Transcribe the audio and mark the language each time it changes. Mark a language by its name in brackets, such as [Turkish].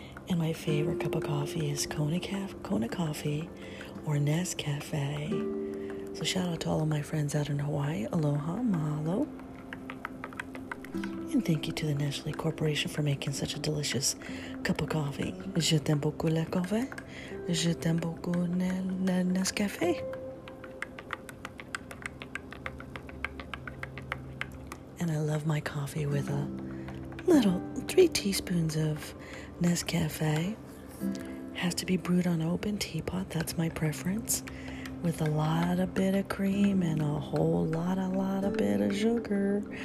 [English] And my favorite cup of coffee is Kona Coffee or Nescafe. So shout out to all of my friends out in Hawaii. Aloha, mahalo. And thank you to the Nestle Corporation for making such a delicious cup of coffee. [French] Je t'aime beaucoup le café. Je t'aime beaucoup le Nescafe. [English] And I love my coffee with a little 3 teaspoons of Nescafe. Has to be brewed on open teapot. That's my preference. With a lot of bit of cream and a whole lot of bit of sugar.